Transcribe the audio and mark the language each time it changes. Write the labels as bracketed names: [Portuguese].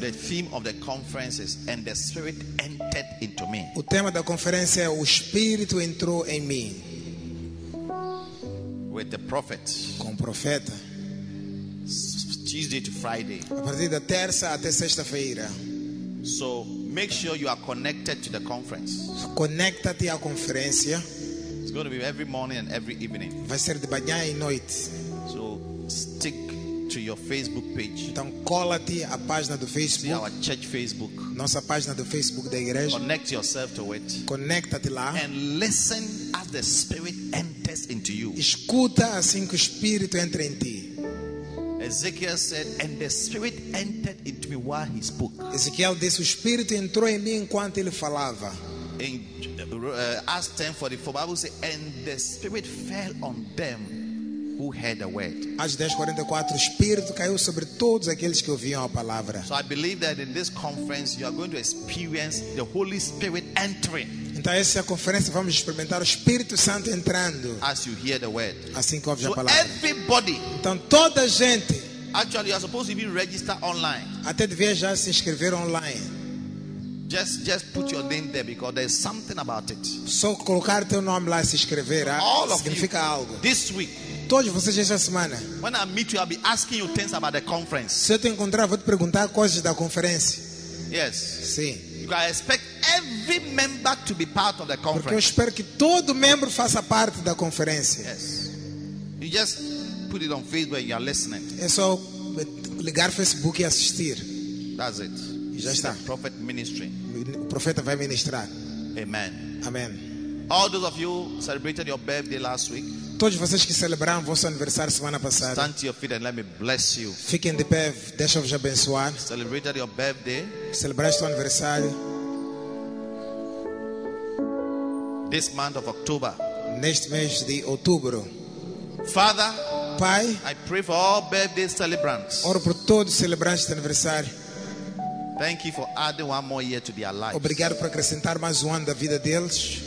[English] The theme of the conference is "And the Spirit entered into me." [Portuguese] O tema da conferência é "O Espírito entrou em mim." [English] With the prophet. [Portuguese] Com o profeta. [English] Tuesday to Friday. [Portuguese] A partir da terça até sexta-feira. [English] So make sure you are connected to the conference. [Portuguese] Conecta-te à conferência. [English] It's going to be every morning and every evening. [Portuguese] Vai ser de manhã e noite. [English] So stick to your Facebook page. [Portuguese] Então cola-te à página do Facebook. [English] See our church Facebook. [Portuguese] Nossa página do Facebook da igreja. [English] Connect yourself to it. [Portuguese] Conecta-te lá. [English] And listen as the Spirit enters into you. [Portuguese] Escuta assim que o Espírito entra em ti. [English] Ezekiel said, "And the Spirit entered into me while he spoke." [Portuguese] Ezequiel disse, o Espírito entrou em mim enquanto ele falava. [English] In Acts 10:44, Bible says, "And the Spirit fell on them who heard the word." [Portuguese] Acts 10:44, o Espírito caiu sobre todos aqueles que ouviam a palavra. [English] So I believe that in this conference you are going to experience the Holy Spirit entering. [Portuguese] Então essa conferência vamos experimentar o Espírito Santo entrando. [English] As you hear the word. [Portuguese] Assim que ouve [English] so [Portuguese] a palavra. [English] Everybody. [Portuguese] Então toda a gente. [English] Actually, you are supposed to be registered online. [Portuguese] Até devia já se inscrever online. [English] Just put your name there because there's something about it. [Portuguese] Só colocar teu nome lá e se inscrever, significa [English] you, [Portuguese] algo. [English] This week. [Portuguese] Todos vocês esta semana. [English] When I meet you, I'll be asking you things about the conference. [Portuguese] Se eu te encontrar, vou te perguntar coisas da conferência. [English] Yes. [Portuguese] Sim. [English] Because I expect every member to be part of the conference. [Portuguese] Porque eu espero que todo membro faça parte da conferência. [English] Yes. You just put it on Facebook and you are listening. [Portuguese] É só ligar Facebook e assistir. [English] That's it. [Portuguese] Já está. [English] The prophet ministry. [Portuguese] O profeta vai ministrar. [English] Amen. [Portuguese] Amen. [English] All those of you celebrated your birthday last week. [Portuguese] Todos vocês que celebraram vosso aniversário semana passada. [English] Stand to your feet and let me bless you. [Portuguese] Fiquem de pé, deixa eu vos abençoar. [English] Celebrated your birthday. [Portuguese] Celebraste o aniversário. [English] This month of October. [Portuguese] Neste mês de outubro. [English] Father, [Portuguese] Pai, [English] I pray for all birthday celebrants. [Portuguese] Oro por todos os celebrantes de aniversário. [English] Thank you for adding one more year to their lives. [Portuguese] Obrigado por acrescentar mais ano da vida deles.